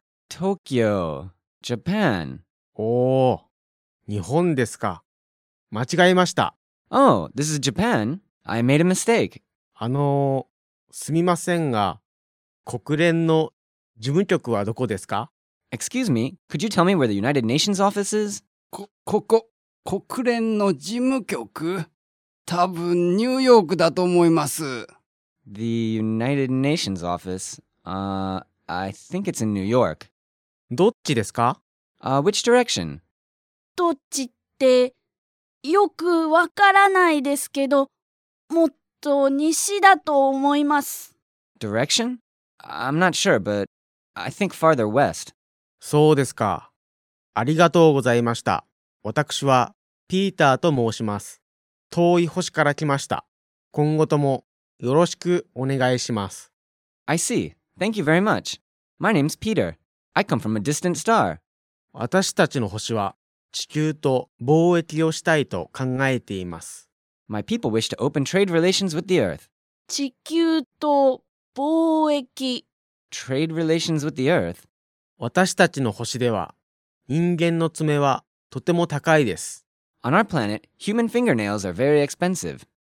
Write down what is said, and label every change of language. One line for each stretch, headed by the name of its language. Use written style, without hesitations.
English: Tokyo, Japan.
Japanese: おお、日本ですか。間違えました。
English: Oh, this is Japan. I made a mistake.
Japanese: すみませんが、国連の事務局はどこですか？
English: Excuse me, could you tell me where the United Nations office is?
Japanese: ここ、国連の事務局？多分ニューヨークだと思います。
English: The United Nations office? I think it's in New York.
Japanese: どっちですか？
English: Which direction?
Japanese: どっちってよくわからないですけど、もっと西だと思います。
English: Direction? I'm not sure, but I think farther west.
Japanese: そうですか。ありがとうございました。私はピーターと申します。遠い星から来ました。今後ともよろしくお願いします。
English: I see. Thank you very much. My name's Peter. I come from a distant star.
Japanese: 私たちの星は地球と貿易をしたいと考えています。
English: My people wish to open trade relations with the Earth.
Japanese: 地球と貿易。
English: Trade relations with the Earth?
Japanese: 私たちの星では、人間の爪はとても高いです。
English: On our planet, human fingernails are very expensive.